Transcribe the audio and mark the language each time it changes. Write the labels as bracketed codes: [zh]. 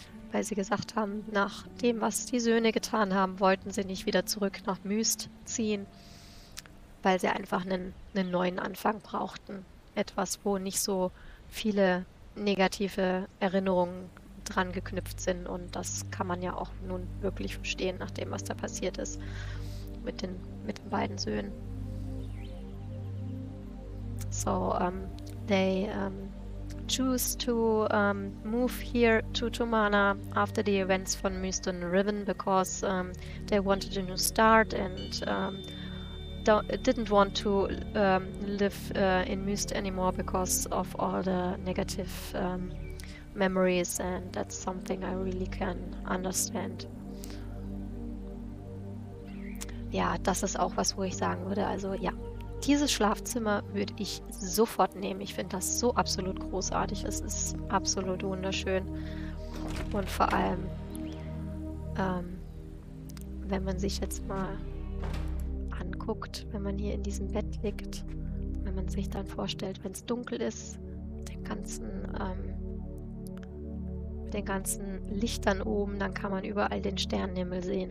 [de] Weil sie gesagt haben, nach dem, was die Söhne getan haben, wollten sie nicht wieder zurück nach Myst ziehen, weil sie einfach einen neuen Anfang brauchten. Etwas, wo nicht so viele negative Erinnerungen dran geknüpft sind. Und das kann man ja auch nun wirklich verstehen, nach dem, was da passiert ist mit den beiden Söhnen. [en] So, they... choose to move here to Tomana after the events [de] von Myst und Riven [en] because they wanted a new start and didn't want to live in Myst anymore because of all the negative memories, and that's something I really can understand. [de] Ja, das ist auch was, wo ich sagen würde, also ja, dieses Schlafzimmer würde ich sofort nehmen. Ich finde das so absolut großartig. Es ist absolut wunderschön. Und vor allem, wenn man sich jetzt mal anguckt, wenn man hier in diesem Bett liegt, wenn man sich dann vorstellt, wenn es dunkel ist, den ganzen Lichtern oben, dann kann man überall den Sternenhimmel sehen.